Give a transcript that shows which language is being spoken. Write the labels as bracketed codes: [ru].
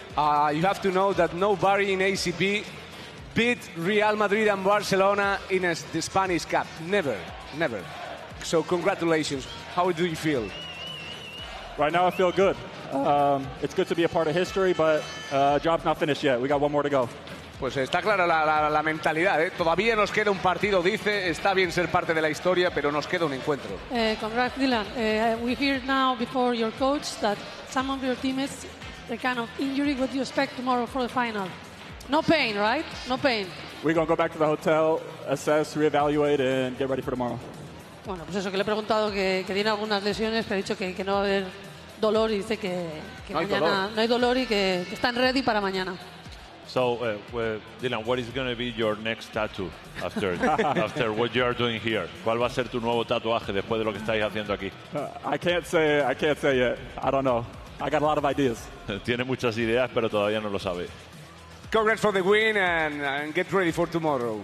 [en] You have to know that nobody in ACB beat Real Madrid and Barcelona in the Spanish Cup. Never, never. So congratulations. How do you feel? Right now I feel good. It's good to be a part of history, but job's not finished yet. We got one more to go. [es] Pues está clara la mentalidad, ¿eh? Todavía nos queda un partido, dice. Está bien ser parte de la historia, pero nos queda un encuentro. [en] Congrats, Dylan. We hear now before your coach that some of your teammates, the kind of injury, what do you expect tomorrow for the final? No pain, right? No pain. We're going to go back to the hotel, assess, reevaluate, and get ready for tomorrow. [es] Bueno, pues eso, que le he preguntado que tiene algunas lesiones, pero ha dicho que no va a haber dolor y dice que no mañana dolor. No hay dolor y que están ready para mañana. [en] So, Dylan, what is going to be your next tattoo after after what you are doing here? [es] ¿Cuál va a ser tu nuevo tatuaje después de lo que estáis haciendo aquí? [en] I can't say yet. I don't know. I got a lot of ideas. [es] Tiene muchas ideas, pero todavía no lo sabe. [en] Congrats for the win and get ready for tomorrow.